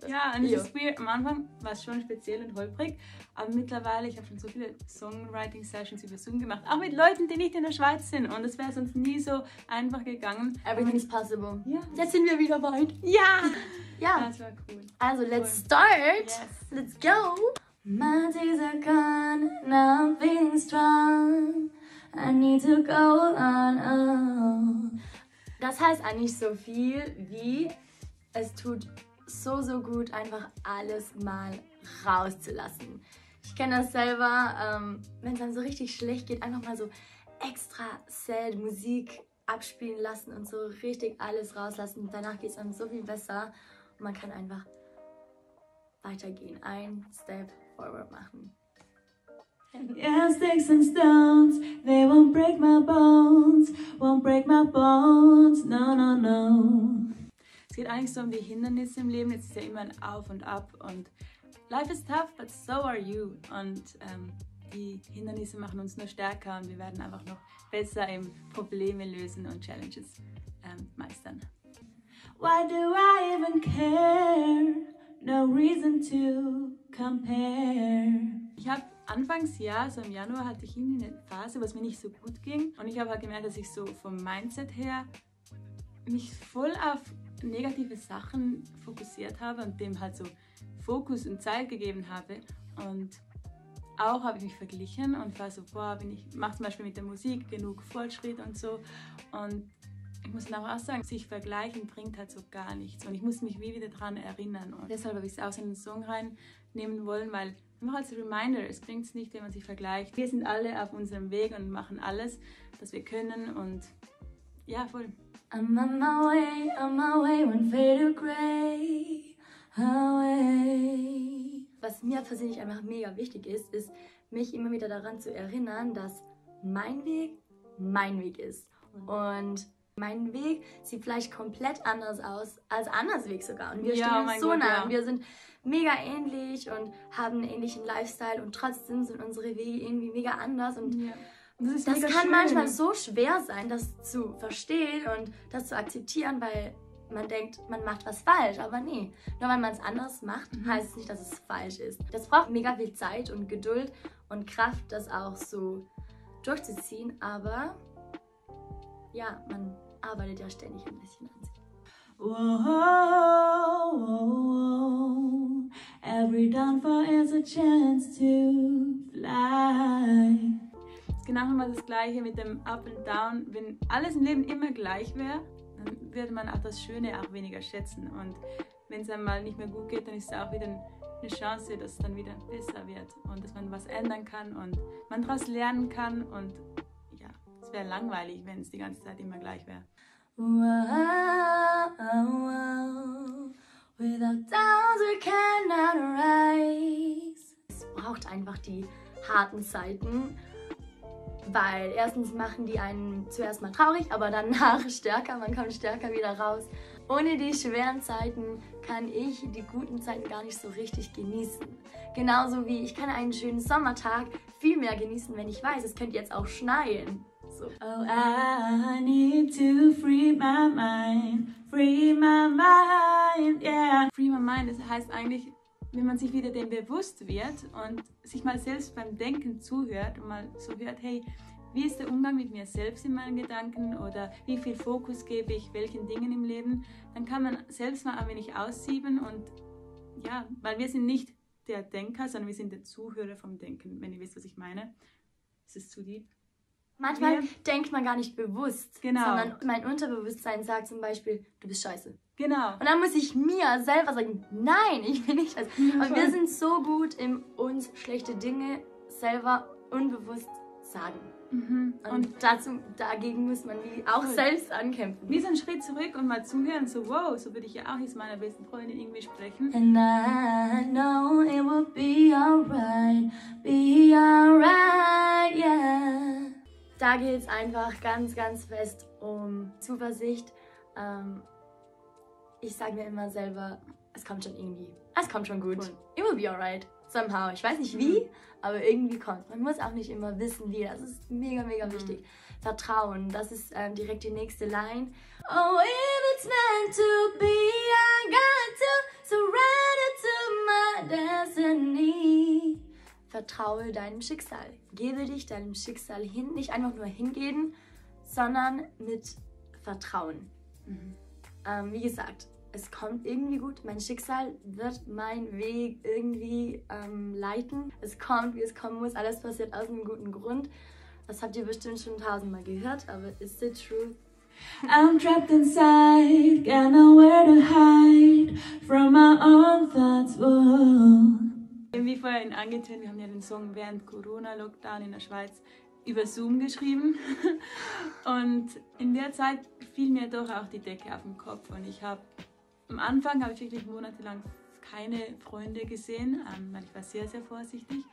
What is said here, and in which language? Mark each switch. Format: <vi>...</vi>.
<de>Ja, und es ist weird. Am Anfang war es schon speziell und holprig, aber mittlerweile, ich habe schon so viele Songwriting-Sessions über Zoom gemacht, auch mit Leuten, die nicht in der Schweiz sind, und es wäre sonst nie so einfach gegangen.</de> <en>Everything's possible. Yeah.</en> <de>Jetzt sind wir wieder weit. Ja! Ja. Das war cool.</de> <en>Also, let's start. Yes. Let's go. My days are gone, now I'm feeling strong. I need to go on.</en> <de>Das heißt eigentlich so viel wie, es tut so, so gut, einfach alles mal rauszulassen. Ich kenne das selber, wenn es dann so richtig schlecht geht, einfach mal so extra sad Musik abspielen lassen und so richtig alles rauslassen. Danach geht es dann so viel besser und man kann einfach weitergehen, ein Step forward machen.</de> <en>Yeah, sticks and stones, they won't break my bones, won't break my bones, no, no, no.</en> <de>Es geht eigentlich so um die Hindernisse im Leben, jetzt ist ja immer ein Auf und Ab und</de> <en>life is tough, but so are you.</en> <de>Und die Hindernisse machen uns nur stärker und wir werden einfach noch besser im Probleme lösen und Challenges meistern.</de> <en>Why do I even care? No reason to compare.</en> <de>Ich hab Anfangs, ja, so im Januar hatte ich irgendwie eine Phase, wo es mir nicht so gut ging. Und ich habe halt gemerkt, dass ich so vom Mindset her mich voll auf negative Sachen fokussiert habe und dem halt so Fokus und Zeit gegeben habe. Und auch habe ich mich verglichen und war so, boah, mache zum Beispiel mit der Musik genug Fortschritt und so. Und ich muss dann auch sagen, sich vergleichen bringt halt so gar nichts. Und ich muss mich wieder daran erinnern. Und deshalb habe ich es auch in den Song reinnehmen wollen, weil noch als Reminder, es bringt es nicht, wenn man sich vergleicht. Wir sind alle auf unserem Weg und machen alles, was wir können und ja, voll.</de> <en>I'm on my way, one fade to gray, away.</en> <de>Was mir persönlich einfach mega wichtig ist, ist, mich immer wieder daran zu erinnern, dass mein Weg ist. Und mein Weg sieht vielleicht komplett anders aus als Annas Weg sogar. Und wir stehen so nah. Wir sind mega ähnlich und haben einen ähnlichen Lifestyle. Und trotzdem sind unsere Wege irgendwie mega anders. Und das kann manchmal so schwer sein, das zu verstehen und das zu akzeptieren, weil man denkt, man macht was falsch. Aber nee, nur weil man es anders macht, heißt es nicht, dass es falsch ist. Das braucht mega viel Zeit und Geduld und Kraft, das auch so durchzuziehen. Aber ja, man arbeitet ja ständig ein bisschen an sich. Whoa, whoa, whoa.</de> <en>Every downfall is a chance to fly.</en> <de>Das ist genau nochmal das Gleiche mit dem Up and Down. Wenn alles im Leben immer gleich wäre, dann würde man auch das Schöne auch weniger schätzen. Und wenn es einmal nicht mehr gut geht, dann ist es auch wieder eine Chance, dass es dann wieder besser wird. Und dass man was ändern kann und man daraus lernen kann und es wäre langweilig, wenn es die ganze Zeit immer gleich wäre.</de> <en>Wow, wow, without doubt we cannot rise.</en> <de>Es braucht einfach die harten Zeiten, weil erstens machen die einen zuerst mal traurig, aber danach stärker, man kommt stärker wieder raus. Ohne die schweren Zeiten kann ich die guten Zeiten gar nicht so richtig genießen. Genauso wie ich kann einen schönen Sommertag viel mehr genießen, wenn ich weiß, es könnte jetzt auch schneien. So.</de> <en>Oh, I need to free my mind, free my mind, yeah. Free my mind,</en> <de>das heißt eigentlich, wenn man sich wieder dem bewusst wird und sich mal selbst beim Denken zuhört und mal so hört, hey, wie ist der Umgang mit mir selbst in meinen Gedanken oder wie viel Fokus gebe ich welchen Dingen im Leben, dann kann man selbst mal ein wenig aussieben und ja, weil wir sind nicht der Denker, sondern wir sind der Zuhörer vom Denken, wenn ihr wisst, was ich meine. Es ist zu lieb. Manchmal denkt man gar nicht bewusst, genau. Sondern mein Unterbewusstsein sagt zum Beispiel, du bist scheiße, Genau. Und dann muss ich mir selber sagen, nein, ich bin nicht scheiße. Und wir sind so gut im uns schlechte Dinge selber unbewusst sagen. Mhm. Und dazu, dagegen muss man auch selbst ankämpfen. Wie so einen Schritt zurück und mal zuhören, so wow, so würde ich ja auch jetzt meiner besten Freundin irgendwie sprechen.</de> <en>And I know it will be alright, yeah.</en> <de>Da geht es einfach ganz, ganz fest um Zuversicht. Ich sage mir immer selber, es kommt schon irgendwie. Es kommt schon gut.</de> <en>Cool. It will be alright. Somehow.</en> <de>Ich weiß nicht wie, aber irgendwie kommt. Man muss auch nicht immer wissen wie. Das ist mega, mega wichtig. Vertrauen. Das ist direkt die nächste Line.</de> <en>Oh, if it's meant to be, I got to surrender to my destiny.</en> <de>Vertraue deinem Schicksal. Gebe dich deinem Schicksal hin. Nicht einfach nur hingeben, sondern mit Vertrauen. Mhm. Wie gesagt, es kommt irgendwie gut. Mein Schicksal wird meinen Weg irgendwie leiten. Es kommt, wie es kommen muss. Alles passiert aus einem guten Grund. Das habt ihr bestimmt schon tausendmal gehört, aber</de> <en>it's the truth. I'm trapped inside, got nowhere to hide from my own thoughts.</en> <de>Wie vorhin angetönt, wir haben ja den Song während Corona-Lockdown in der Schweiz über Zoom geschrieben. Und in der Zeit fiel mir doch auch die Decke auf den Kopf. Und ich habe am Anfang habe ich wirklich monatelang keine Freunde gesehen, weil ich war sehr, sehr vorsichtig.</de>